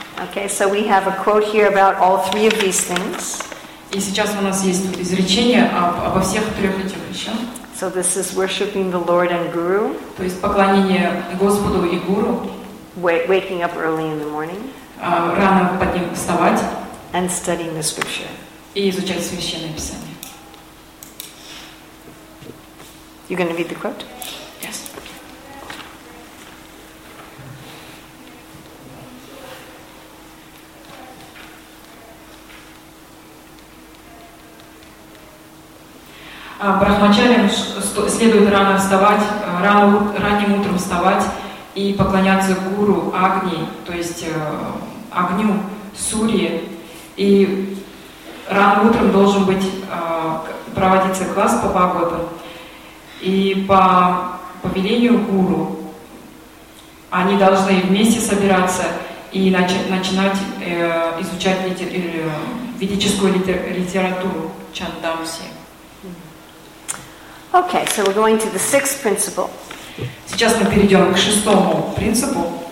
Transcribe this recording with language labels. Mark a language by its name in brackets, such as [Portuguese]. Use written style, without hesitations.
[English] Okay, so we have a quote here about all three of these things. [Russian] И сейчас у нас есть изречение обо всех трех этих вещах. [English] So this is worshiping the Lord and Guru. [Russian] То есть поклонение Господу и Гуру. [English] Waking up early in the morning. [Russian] Рано под ним вставать. [English] And studying the scripture. [Russian] И изучать Священное Писание. [English] You're going to read the quote? Yes. [Russian] Брахмачарям следует рано вставать, ранним утром вставать и поклоняться гуру Агни, то есть огню Сурье. И рано утром должен быть проводиться класс по Бхагаватам. И по повелению гуру они должны вместе собираться и начинать изучать ведическую литературу Чандамси. [English] Okay, so we're going to the sixth principle. [Russian] Сейчас мы перейдем к шестому принципу.